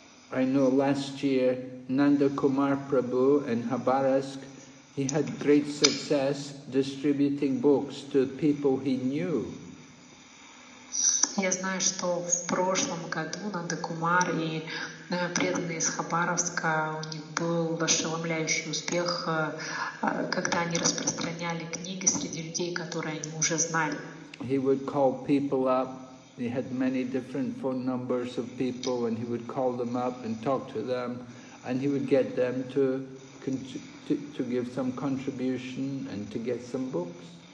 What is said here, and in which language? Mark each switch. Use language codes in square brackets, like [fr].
[en] I know last year Nanda Kumar Prabhu in Habarask, he had great success distributing books to people he knew. [ru] Я знаю, что в прошлом году Нанда Кумар и преданные из Хабаровска, у них был ошеломляющий успех, когда они распространяли книги среди людей, которые они уже знали. [en] He would call people up. He had many different phone numbers of people, and he would call them up and talk to them, and he would get them to give some contribution and to get some books.